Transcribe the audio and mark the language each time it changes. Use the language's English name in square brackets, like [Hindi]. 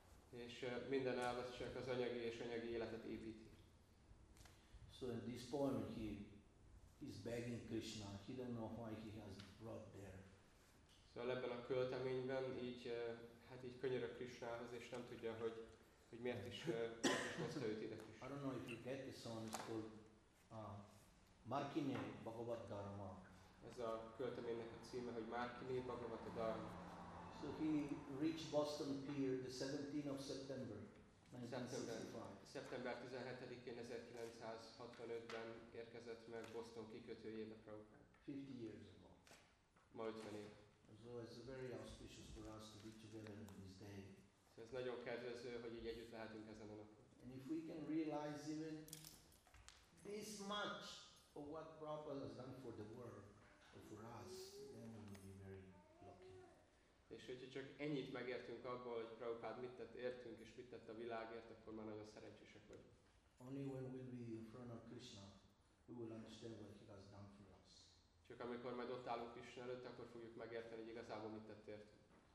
[Hungarian] És minden elvesz csak az anyagi és anyagi életet építi. [English] So at this point he is begging Krishna. He don't know why he has brought there. [Hungarian] Szóval ebben a költeményben így hát így könyörög Krishnához, és nem tudja, hogy miért is hozta őt ide. [English] I don't know if you get this song, it's called Markinye Bhagavad Dharma. [Hungarian] Ez a költeménynek a címe, hogy Markinye Bhagavad Dharma. [English] So he reached Boston Pier the 17th of September 1965. [Hungarian] September 17-én 1965-ben érkezett meg Boston kikötőjébe Prabhupada. [English] 50 years ago. [Hungarian] Ma 50 év. [English] So it's very auspicious for us to be together on this day. [Hungarian] So ez nagyon kedvező, hogy így együtt lehetünk ezen a napon. [English] And if we can realize even this much of what Prabhupada has done for the world, for us, then we will be very lucky. [Hungarian] És hogyha csak ennyit megértünk abból, hogy Prabhupád mit tett értünk és mit tett a világért, akkor már nagyon szerencsések vagyunk. [English] Only when we will be in front of Krishna, we will understand what he has done for us. [Hungarian] Csak amikor majd ott állunk Krishna előtt, akkor fogjuk megérteni, hogy igazából mit tett értünk.